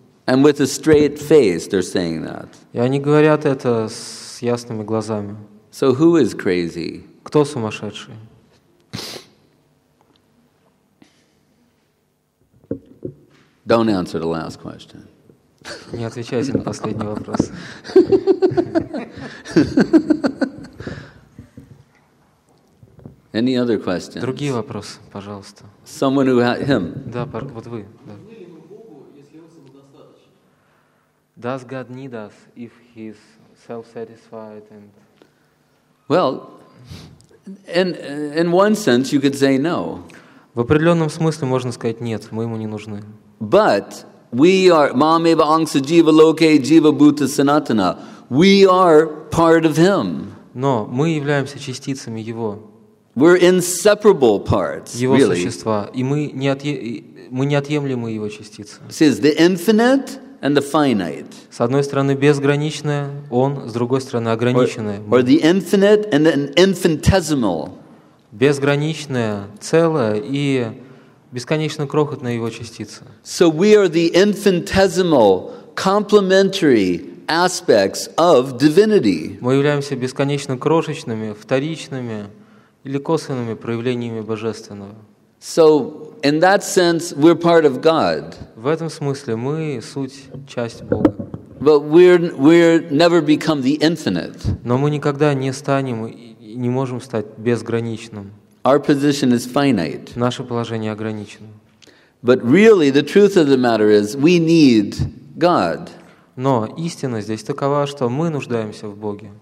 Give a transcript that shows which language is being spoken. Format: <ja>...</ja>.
<en>And with a straight face they're saying that.</en> <ru>И они говорят это с ясными глазами.</ru> <en>So who is crazy?</en> <ru>Кто сумасшедший?</ru> <en>Don't answer the last question.</en> <ru>Не отвечайте на последний вопрос.</ru> <en>Any other questions?</en> <ru>Другие вопросы, пожалуйста.</ru> <en>Someone who had him.</en> <ru>Да, вот вы. Да.</ru> <en>Does God need us if he's self-satisfied and? Well. In one sense, you could say no.</en> <ru>В определенном смысле можно сказать нет, мы ему не нужны.</ru> <en>But we are</en> <sa>mameva angsa jiva loke jiva bhuta sanatana.</sa> <en>We are part of him.</en> <ru>Но мы являемся частицами его.</ru> <en>We're inseparable parts.</en> <ru>Его</ru> <en>really.</en> <ru>Существа, и мы неотъемлемы его частицы.</ru> <en>Says the infinite and the finite.</en> <ru>С одной стороны безграничное он, с другой стороны ограниченное.</ru> <en>Or the infinite and the infinitesimal.</en> <ru>Безграничное целое и бесконечно крохотная его частица.</ru> <en>So we are the infinitesimal complementary aspects of divinity.</en> <ru>Мы являемся бесконечно крошечными, вторичными или косвенными проявлениями божественного.</ru> <en>So in that sense, we're part of God.</en> <ru>В этом смысле мы суть часть Бога.</ru> <en>But we're never become the infinite.</en> <ru>Но мы никогда не станем и не можем стать безграничным.</ru> <en>Our position is finite.</en> <ru>Наше положение ограничено.</ru> <en>But really, the truth of the matter is, we need God.</en> <ru>Но истина здесь такова, что мы нуждаемся в Боге.</ru>